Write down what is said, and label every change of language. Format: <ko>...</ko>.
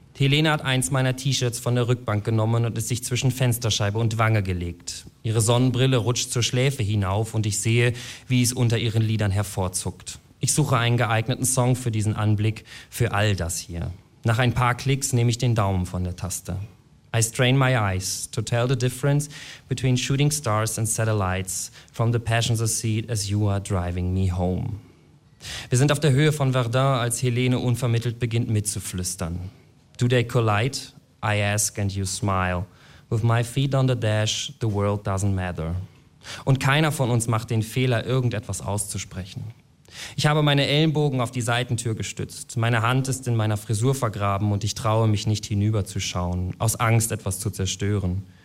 <de>Helene hat eins meiner T-Shirts von der Rückbank genommen und es sich zwischen Fensterscheibe und Wange gelegt. Ihre Sonnenbrille rutscht zur Schläfe hinauf und ich sehe, wie es unter ihren Lidern hervorzuckt. Ich suche einen geeigneten Song für diesen Anblick, für all das hier. Nach ein paar Klicks nehme ich den Daumen von der Taste.</de> <en>I strain my eyes to tell the difference between shooting stars and satellites from the passenger seat as you are driving me home.</en> <de>Wir sind auf der Höhe von Verdun, als Helene unvermittelt beginnt mitzuflüstern.</de> <en>Do they collide? I ask and you smile. With my feet on the dash, the world doesn't matter.</en> <de>Und keiner von uns macht den Fehler, irgendetwas auszusprechen. Ich habe meine Ellenbogen auf die Seitentür gestützt. Meine Hand ist in meiner Frisur vergraben und ich traue mich nicht hinüberzuschauen, aus Angst, etwas zu zerstören.</de>